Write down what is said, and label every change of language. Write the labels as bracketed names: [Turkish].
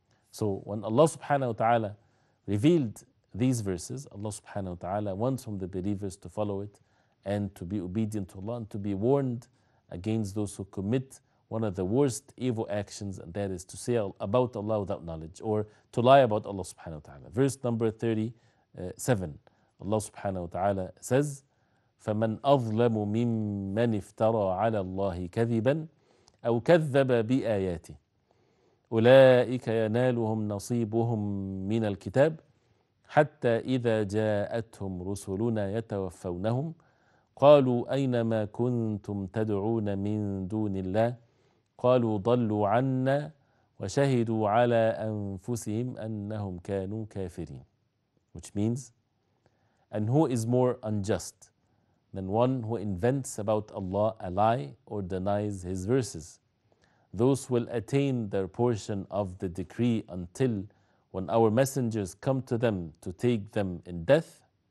[English] So when Allah subhanahu wa ta'ala revealed these verses, Allah subhanahu wa ta'ala wants from the believers to follow it and to be obedient to Allah and to be warned against those who commit one of the worst evil actions, and that is to say about Allah without knowledge or to lie about Allah subhanahu wa ta'ala. Verse number 37, Allah subhanahu wa ta'ala says, [Arabic] فَمَنْ أَظْلَمُ مِمَّنِ افْتَرَى عَلَى اللَّهِ كَذِبًا أَوْ كَذَّبَ بِآيَاتِهِ أولئك ينالهم نصيبهم من الكتاب حتى إذا جاءتهم رسلنا يتوفونهم قالوا أينما كنتم تدعون من دون الله قالوا ضلوا عنا وشهدوا على أنفسهم أنهم كانوا كافرين. [English] Which means, and who is more unjust than one who invents about Allah a lie or denies his verses? Those will attain their portion of the decree until when our messengers come to them to take them in death.